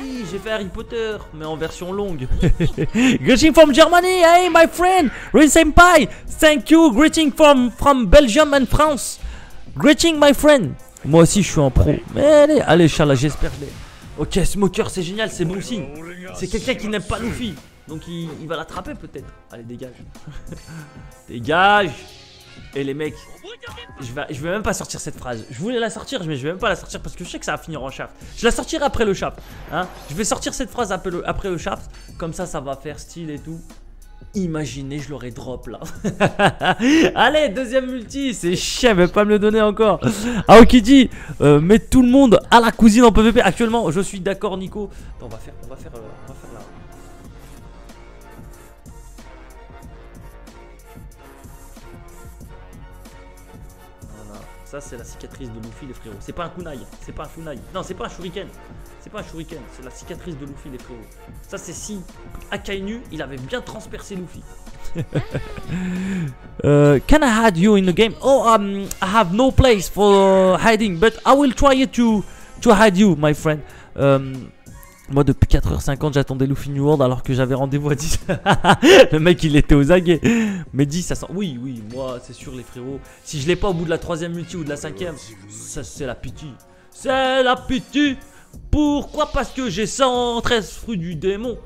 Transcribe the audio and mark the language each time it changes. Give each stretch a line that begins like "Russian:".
French: J'ai fait Harry Potter, mais en version longue.
English: Greeting from Germany, hey my friend, Rin Senpai, thank you, greeting from Belgium and France. Greeting my friend.
French: Moi aussi je suis un pro. Mais allez Charles, j'espère que je l'ai. Ok, Smoker c'est génial, c'est bon signe. C'est quelqu'un qui n'aime pas Luffy. Donc il va l'attraper peut-être. Allez dégage. Dégage. Et les mecs, je vais même pas sortir cette phrase. Je voulais la sortir mais je vais même pas la sortir parce que je sais que ça va finir en shaft. Je la sortirai après le shaft, hein. Je vais sortir cette phrase après le shaft. Comme ça va faire style et tout. Imaginez, je l'aurais drop là. Allez, deuxième multi. C'est chien, mais pas me le donner encore. Aoki dit met tout le monde à la cousine en PVP. Actuellement, je suis d'accord, Nico. Attends, on va faire là. Voilà. Ça, c'est la cicatrice de Luffy, les frérots. C'est pas un kunai. C'est pas un kunai. Non, c'est pas un shuriken. C'est pas un shuriken, c'est la cicatrice de Luffy, les frérots. Ça, c'est si Akainu, il avait bien transpercé Luffy.
English: Can I hide you in the game? Oh, I have no place for hiding, but I will try to hide you, my friend.
French: Moi, depuis 4h50, j'attendais Luffy New World alors que j'avais rendez-vous à 10. Le mec, il était aux aguets. Mais 10, ça sent... Oui, moi, c'est sûr, les frérots. Si je l'ai pas au bout de la 3ème multi ou de la 5ème, ça, c'est la pitié. C'est la pitié. Pourquoi? Parce que j'ai 113 fruits du démon.